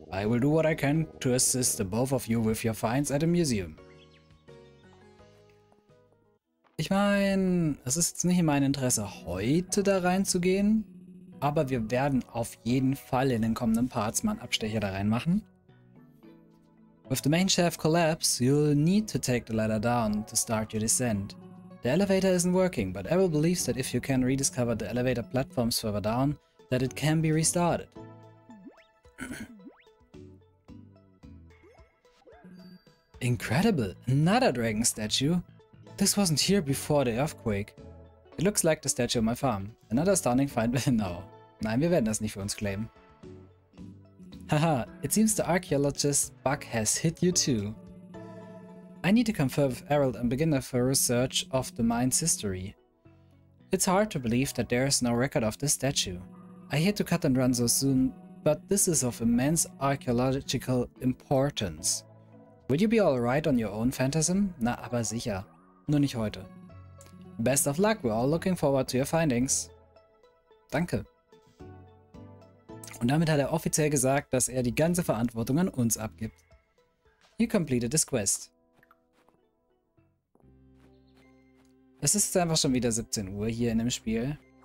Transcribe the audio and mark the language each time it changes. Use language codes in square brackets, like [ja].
[en] I will do what I can to assist the both of you with your finds at the museum. [de] Ich meine, es ist nicht in meinem Interesse, heute da reinzugehen, aber wir werden auf jeden Fall in den kommenden Parts mal einen Abstecher da reinmachen. [en] With the main shaft collapse, you'll need to take the ladder down to start your descent. The elevator isn't working, but Errol believes that if you can rediscover the elevator platforms further down, that it can be restarted. Incredible! Another dragon statue! This wasn't here before the earthquake. It looks like the statue on my farm. Another astounding find within now. [de] Nein, wir werden das nicht für uns claimen. [en] Haha, it seems the archaeologist bug has hit you too. I need to confer with Errol and begin a thorough search of the mine's history. It's hard to believe that there is no record of this statue. I hate to cut and run so soon, but this is of immense archaeological importance. Would you be alright on your own, Phantasm? [de] Na, aber sicher. Nur nicht heute. [en] Best of luck, we're all looking forward to your findings. [de] Danke. Und damit hat er offiziell gesagt, dass er die ganze Verantwortung an uns abgibt. [en] You completed this quest. [de] Es ist einfach schon wieder 17 Uhr hier in dem Spiel.